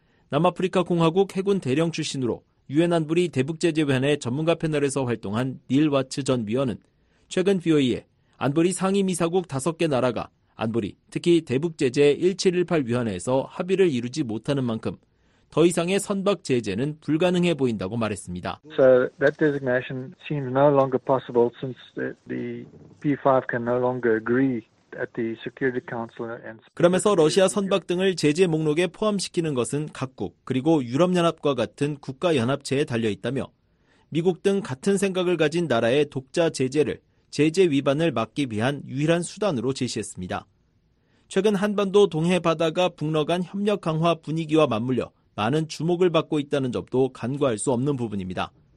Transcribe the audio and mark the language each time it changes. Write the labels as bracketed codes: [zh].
[ko] 남아프리카 공화국 해군 대령 출신으로 유엔 안보리 대북제재위원회 전문가 패널에서 활동한 닐 와츠 전 위원은 최근 VOA에 안보리 상임이사국 5개 나라가 안보리, 특히 대북제재 1718위원회에서 합의를 이루지 못하는 만큼 더 이상의 선박 제재는 불가능해 보인다고 말했습니다. [en] So that designation seems no longer possible since the P5 can no longer agree at the Security Council and [ko] 그러면서 러시아 선박 등을 제재 목록에 포함시키는 것은 각국 그리고 유럽연합과 같은 국가연합체에 달려 있다며 미국 등 같은 생각을 가진 나라의 독자 제재를 제재 위반을 막기 위한 유일한 수단으로 제시했습니다. 최근 한반도 동해 바다가 북러 간 협력 강화 분위기와 맞물려 많은 주목을 받고 있다는 점도 간과할 수 없는 부분입니다.